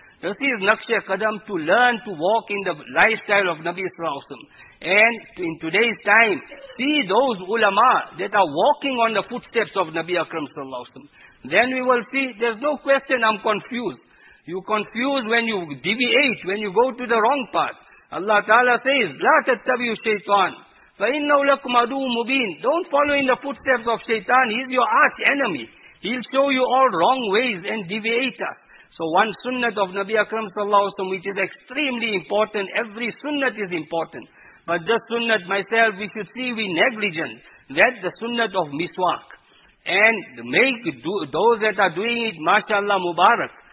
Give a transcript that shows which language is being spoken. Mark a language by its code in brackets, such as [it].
[en] This is Naqshe Qadam, to learn to walk in the lifestyle of Nabi Sallallahu Alaihi Wasallam. And in today's time, see those ulama that are walking on the footsteps of Nabi Akram Sallallahu Alaihi Wasallam. Then we will see, there's no question I'm confused. You confuse when you deviate, when you go to the wrong path. Allah Ta'ala says, [ar] لا تتبعوا الشيطان فَإِنَّوْ لَكُمْ عَدُوٌ مُبِينٌ. [en] Don't follow in the footsteps of Shaitan. He's your arch enemy. He'll show you all wrong ways and deviate us. So one sunnah of Nabi Akram Sallallahu Alaihi Wasallam, which is extremely important. Every sunnah is important. But this sunnah, myself, we should see we negligent. That's the sunnah of miswak. And make those that are doing it, mashallah, mubarak.